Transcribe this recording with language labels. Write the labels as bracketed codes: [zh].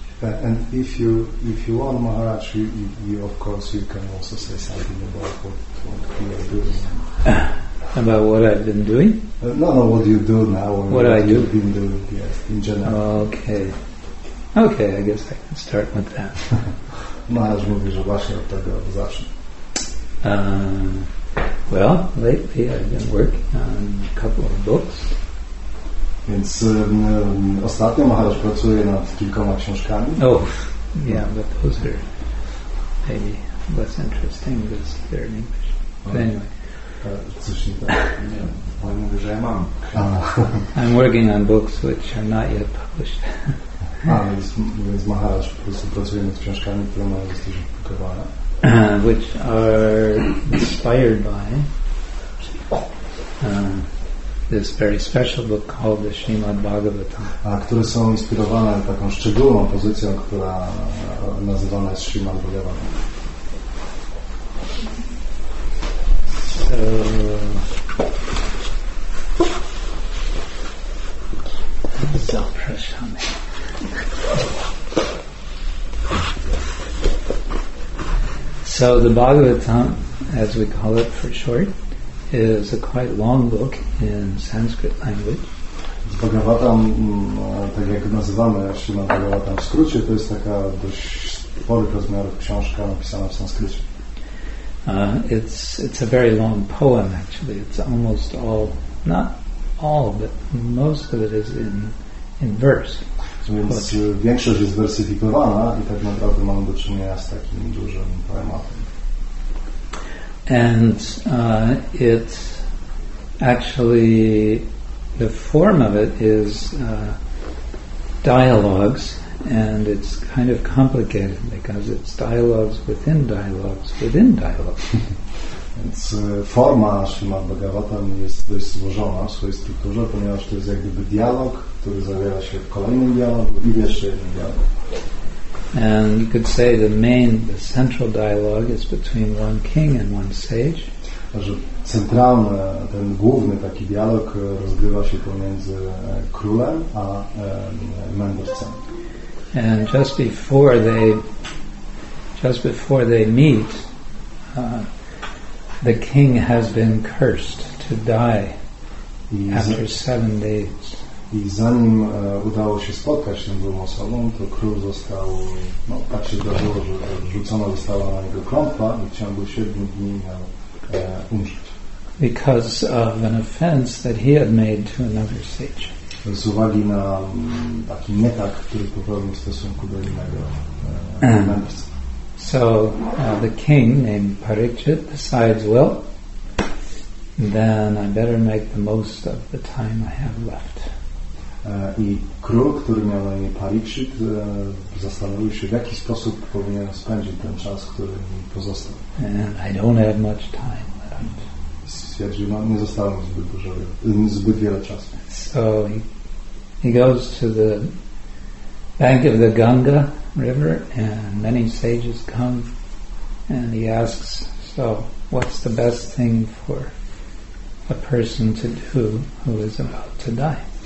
[en] And if you want Maharaj, you of course you can also say something about what you are doing. About what I've been doing? No, what you do now. Or what I do? You've been doing, yes, in general. Okay, I guess I can start with that. [pl] Maharaj mówi, że właśnie od tego zacznę. [en] Well, lately I've been working on a couple of books. [pl] Więc ostatnio Maharaj pracuje nad kilkoma książkami. [en] Oh, yeah, but those are maybe less interesting because they're in English. But anyway. [pl] Coś nie tak. Oni mówią, że ja mam. [en] I'm working on books which are not yet published. [pl] więc Maharaj po prostu pracuje nad książkami, które mają zostać opublikowane. [en] Which are inspired by... this very special book called the Srimad Bhagavatam. [pl] A które są inspirowane taką szczególną pozycją, która nazywana jest Srimad Bhagavatam. So, zapraszamy. [en] So the Bhagavatam, as we call it for short, is a quite long book in Sanskrit language. [pl] Z Bhagavatam, tak jak nazywamy Śrimad Bhagavatam w skrócie, to jest taka dość sporych rozmiarów książka napisana w sanskrycie. [en] It's a very long poem, actually. It's almost all, not all, but most of it is in verse. [pl] Więc większość jest wersyfikowana i tak naprawdę mamy do czynienia z takim dużym poematem. [en] And it actually the form of it is dialogues, and it's kind of complicated because it's dialogues within dialogues within dialogues. [pl] Więc forma Śrimad Bhagavatam jest dość złożona w swojej strukturze, ponieważ to jest jak gdyby dialog, który zawiera się w kolejnym dialogu i w jeszcze jednym dialogu. [en] And you could say the main, the central dialogue is between one king and one sage. [pl] Że centralny, ten główny taki dialog rozgrywa się pomiędzy królem a mędrcem. [en] And just before they meet, the king has been cursed to die after 7 days. [pl] I zanim udało się spotkać tę drugą osobą, to król został, no tak się zdarzyło, że rzucona została na jego klątwa i w ciągu 7 dni miał umrzeć. [en] Because of an offense that he had made to another sage. [pl] Z uwagi na taki nietak, który popełnił w stosunku do innego mędrca. [en] So the king named Parikshit decides, well, then I better make the most of the time I have left. [pl] I król, który miał na imię Parikshit, zastanowił się, w jaki sposób powinien spędzić ten czas, który mi pozostał. [en] And I don't have much time left. [pl] Stwierdził, no, nie zostało zbyt dużo, zbyt wiele czasu. [en] So he goes to the bank of the Ganga River, and many sages come, and he asks, so what's the best thing for a person to do who is about to die?